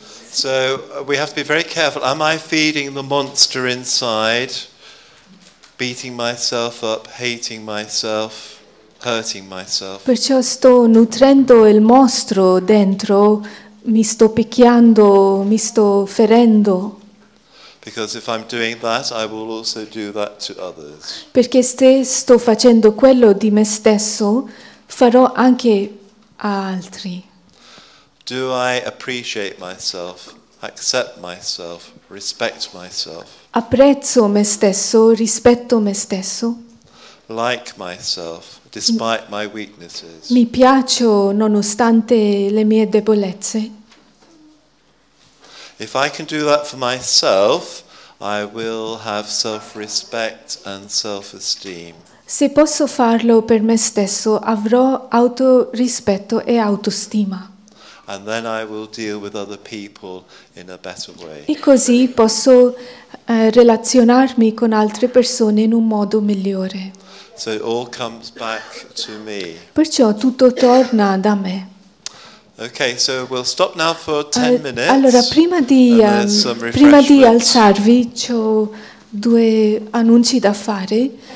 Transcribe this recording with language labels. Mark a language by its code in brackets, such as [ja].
[en] So we have to be very careful. Am I feeding the monster inside? Beating myself up, hating myself, hurting myself. [it] Perciò sto nutrendo il mostro dentro, mi sto picchiando, mi sto ferendo. [en] Because if I'm doing that, I will also do that to others. [it] Perché se sto facendo quello di me stesso, farò anche a altri. [en] Do I appreciate myself, accept myself, respect myself? [it] Apprezzo me stesso, rispetto me stesso. [en] Like myself, despite my weaknesses. [it] Mi piaccio nonostante le mie debolezze. [en] If I can do that for myself, I will have self-respect and self-esteem. [it] Se posso farlo per me stesso, avrò autorispetto e autostima. [en] And then I will deal with other people in a better way. [it] E così posso relazionarmi con altre persone in un modo migliore. [en] So it all comes back to me. [it] Perciò tutto torna da me. [en] Okay, so we'll stop now for 10 minutes. [it] Allora, prima di alzarvi, c'ho due annunci da fare.